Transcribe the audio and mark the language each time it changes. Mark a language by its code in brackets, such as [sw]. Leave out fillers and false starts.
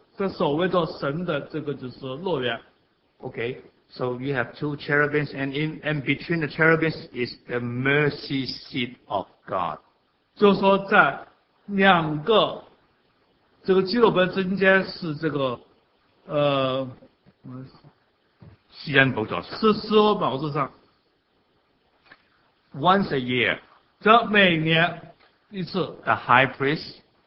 [zh] 就是它是一个守门的狗一样的，在守卫着神的这个就是乐园。 [en] Okay, so you have two cherubims, and between the cherubims is the mercy seat of God. [zh] 就说在两个这个基洛伯中间是这个西恩宝座上，是施恩宝座上。 [en] Once a year， [zh] 这每年一次。 [en] The high priest，